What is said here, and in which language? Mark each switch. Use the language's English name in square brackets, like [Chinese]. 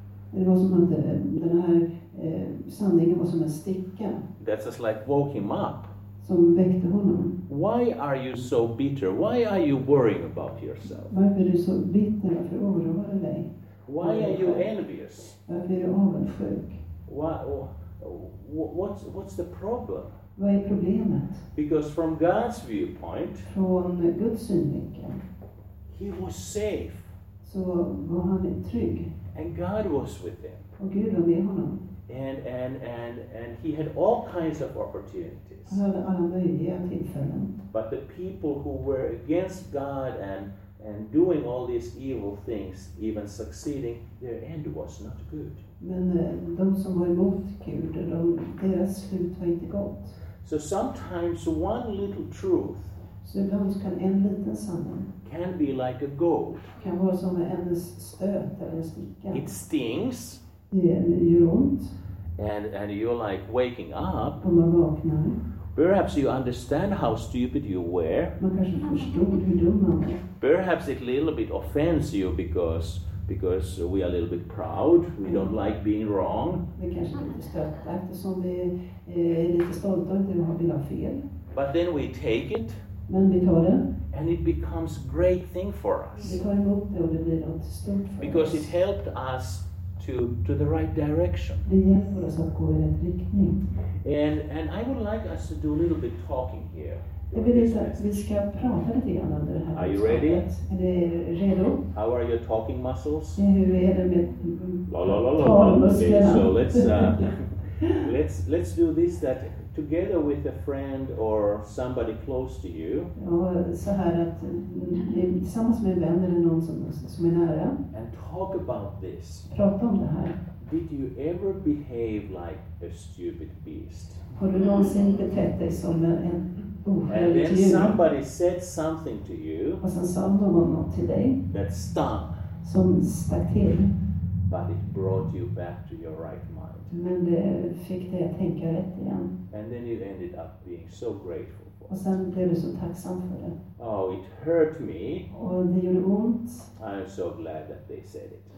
[Swedish] Det var som att den här sanningen var som en sticka. [English] That's just like woke him up. [Swedish] Som väckte honom. [English] Why are you so bitter? Why are you worrying about yourself? [Swedish] Varför är du så bitter? Varför oroar du dig? [English] Why are you envious? [Swedish] Varför är du avundsjuk? [English] What's the problem? [Swedish] Vad är problemet? [English] Because from God's viewpoint, [Swedish] från Guds synvinkel, [English] he was safe. [Swedish] Så var han trygg. [English] And God was with him. [Swedish] Och Gud var med honom. [English] And he had all kinds of opportunities. [Swedish] Han hade alla möjliga tillfällen. [English] But the people who were against God and doing all these evil things, even succeeding, their end was not good. [Swedish] Men de som var emot Gud, deras slut var inte gott. [English] So sometimes one little truth [Swedish] kan en liten sanning [English] can be like a goad. [Swedish] Kan vara som en stöt eller en sticka. [English] It stings. [Swedish] Det gör ont. [English] And you're like waking up. [Swedish] Och man vaknar. [English] Perhaps you understand how stupid you were. [Swedish] Man kanske förstod hur dum man var. [English] Perhaps it a little bit offends you because we are a little bit proud. We don't like being wrong. [Swedish] Vi kanske är lite stötta eftersom vi är lite stolta inte att vi har fel. [English] But then we take it. [Swedish] Men vi tar det. [English] And it becomes a great thing for us. [Swedish] Vi tar emot det och det blir något stort för oss. [English] Because it helped us to the right direction. [Swedish] Det hjälper oss att gå i rätt riktning. [English] And I would like us to do a little bit talking here. [Swedish] Jag vill säga att vi ska prata lite grann under det här. [English] Are you ready? [Swedish] Är du redo? [English] How are your talking muscles? [Swedish] Hur är det med talmusklerna? [English] Okay, so let's do this, that together with a friend or somebody close to you. [Swedish] Och så här att ni det är tillsammans med vänner eller någon som är nära. [English] And talk about this. [Swedish] Prata om det här. [English] Did you ever behave like a stupid beast? [Swedish] Har du någonsin betett dig som en ohärligt djur? [English] And then somebody said something to you. [Swedish] Och sen sa någon något till dig. [English] That stung. [Swedish] Som stack till. [English] But it brought you back to your right mind. [Swedish] Men det fick dig att tänka rätt igen. [English] And then you ended up being so grateful. [Swedish] Och sen blev du så tacksam för det. [English] Oh, it hurt me. [Swedish] Och det gjorde ont. [English] I'm so glad that they said it.